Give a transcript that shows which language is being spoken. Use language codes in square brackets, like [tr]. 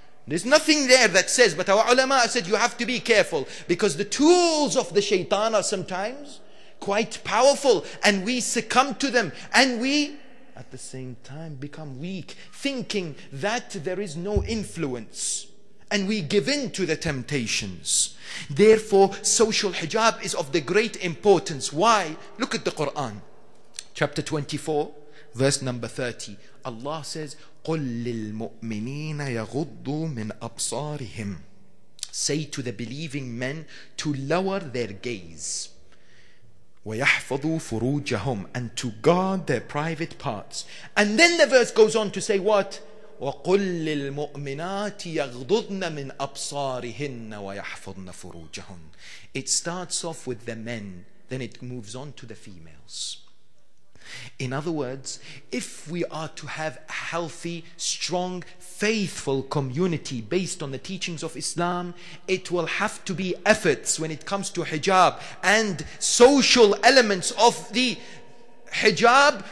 [en] There's nothing there that says, but our ulama said you have to be careful because the tools of the shaitan are sometimes quite powerful and we succumb to them and we at the same time become weak, thinking that there is no influence and we give in to the temptations. Therefore, social hijab is of the great importance. Why? Look at the Quran, chapter 24, verse number 30. Allah says, [ar] قُلْ لِلْمُؤْمِنِينَ يَغُضُّوا مِنْ أَبْصَارِهِمْ. [en] Say to the believing men to lower their gaze. [ar] وَيَحْفَظُوا فُرُوجَهُمْ. [en] And to guard their private parts. And then the verse goes on to say what? [ar] وقل للمؤمنات يغضضن من أبصارهن ويحفظن فروجهن. [en] It starts off with the men, then it moves on to the females. In other words, if we are to have a healthy, strong, faithful community based on the teachings of Islam, it will have to be efforts when it comes to hijab and social elements of the hijab.